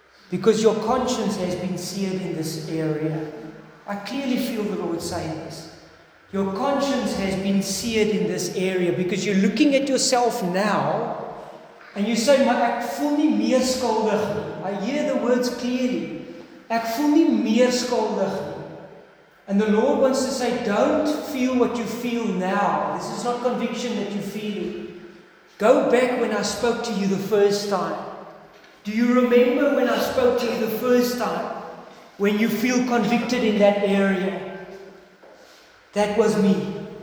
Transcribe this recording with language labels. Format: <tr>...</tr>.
<en>Because your conscience has been seared in this area. I clearly feel the Lord saying this. Your conscience has been seared in this area because you're looking at yourself now and you say,</en> <af>"Maar ek voel nie meer skuldig nie."</af> <en>I hear the words clearly.</en> <af>Ek voel nie meer skuldig nie.</af> <en>And the Lord wants to say, don't feel what you feel now. This is not conviction that you feel. Go back when I spoke to you the first time. Do you remember when I spoke to you the first time? When you feel convicted in that area? That was me.</en>